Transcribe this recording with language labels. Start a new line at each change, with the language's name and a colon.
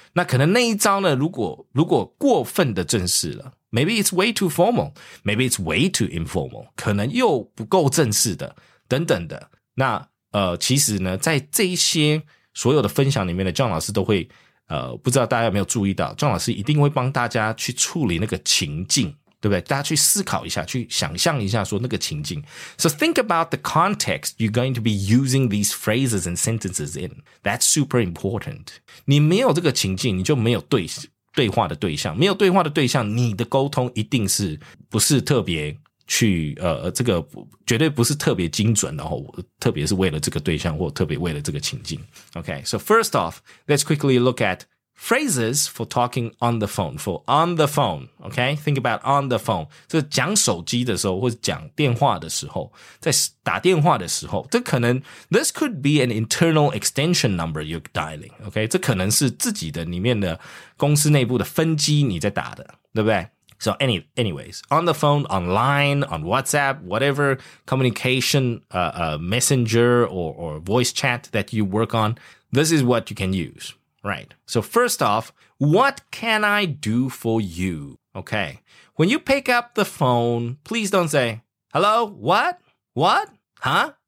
Chinese: 那可能那一招呢，如果过分的正式了，
English: maybe it's way too formal, maybe it's way too informal,
Chinese: 可能又不够正式的等等的。那其实呢在这一些所有的分享里面的 John 老师都会不知道大家有没有注意到， John 老师一定会帮大家去处理那个情境，对不对？大家去思考一下，去想象一下说那个情境。
English: So think about the context you're going to be using these phrases and sentences in. That's super important.
Chinese: 你没有这个情境，你就没有对话的对象，没有对话的对象，你的沟通一定是不是特别去这个绝对不是特别精准，然后特别是为了这个对象或特别为了这个情境。
English: Okay, so first off, let's quickly look at phrases for talking on the phone. For on the phone, okay, think about on the phone.
Chinese: 这讲手机的时候或是讲电话的时候，在打电话的时候，这可能
English: this could be an internal extension number you're dialing.
Chinese: Okay, 这可能是自己的里面的公司内部的分机你在打的，对不对？
English: So anyways, on the phone, online, on WhatsApp, whatever communication, messenger or voice chat that you work on, this is what you can use, right? So first off, what can I do for you? Okay, when you pick up the phone, please don't say, hello, what, huh?